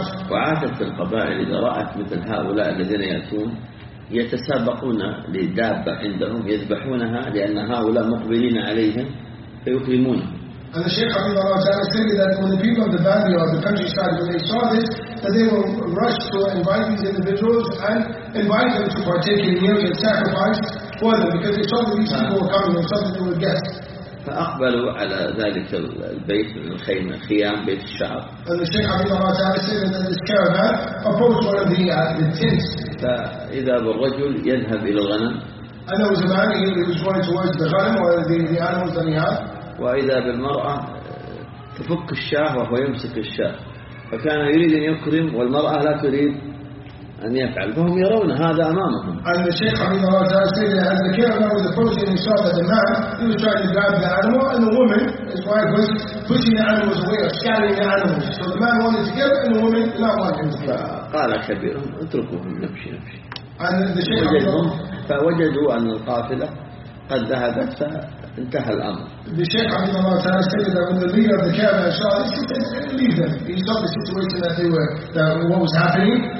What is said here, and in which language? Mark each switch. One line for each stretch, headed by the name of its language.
Arabic: وعادت القبائل إذا رأت مثل هؤلاء الذين يأتون يتسابقون لدابة عندهم يذبحونها لأن هؤلاء مقبلين عليهم فيكرمونها.
English: And the Sheikh Abdullah Raja was telling me that when the people of the valley or the countryside, when they saw this, that they will rush to invite these individuals and invite them to partake in the yearly sacrifice for them, because they saw that these people were coming and something they would get.
Arabic: فأقبلوا على ذلك البيت من الخيمة خيام بيت الشعب.
English: And the Sheikh Abdullah Raja was saying that this caravan approached one of the tents.
Arabic: فإذا بالرجل يذهب إلى الغنم.
English: And there was a man, he was going towards the ghanam or the animals that he had.
Arabic: وإذا بالمرأة تفك الشاه وهو يمسك الشاه فكان يريد أن يكرم والمرأة لا تريد أن يفعل فهم يرون هذا أمامهم.
English: And the Sheikh Abdul Razak said that as the caravan was approaching, he saw that the man, he was trying to grab the animal, and the woman, his wife, was pushing the animals away or scattering the animals. So the man wanted to give it, and the woman did not want him to give it.
Arabic: قال كبيرهم اتركوهم نمشي نمشي.
English: And the Sheikh Abdul Razak
Arabic: فوجدوا أن القافلة قد ذهبت فانتهى الأمر.
English: The Sheikh Abdul Razak said that when the leader of the caravan saw this, he said, "Leave them." He saw the situation that they were, that what was happening.